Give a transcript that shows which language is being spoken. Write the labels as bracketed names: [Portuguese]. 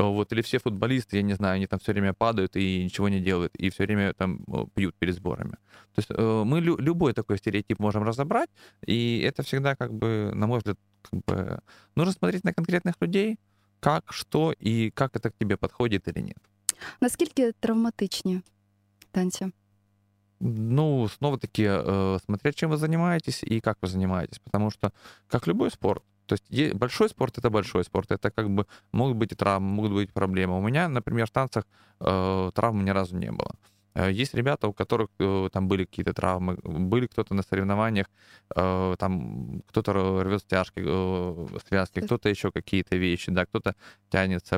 [Russian] Вот, или все футболисты, я не знаю, они там все время падают и ничего не делают, и все время там пьют перед сборами. То есть мы любой такой стереотип можем разобрать, и это всегда, как бы, на мой взгляд, как бы, нужно смотреть на конкретных людей, как, что и как это к тебе подходит или нет. [Ukrainian] Наскільки травматичні танці? Ну, знову-таки, смотря чим ви займаєтесь і як ви займаєтесь, тому що, як любой спорт, [Russian] то есть большой спорт [Ukrainian] — это большой спорт. [Russian] Это как бы могут быть травмы, могут быть проблемы. У меня, например, в танцах травм ни разу не было. Есть ребята, у которых там были какие-то травмы, были кто-то на соревнованиях, там кто-то рвет стяжки, связки, кто-то еще какие-то вещи, да, кто-то тянется.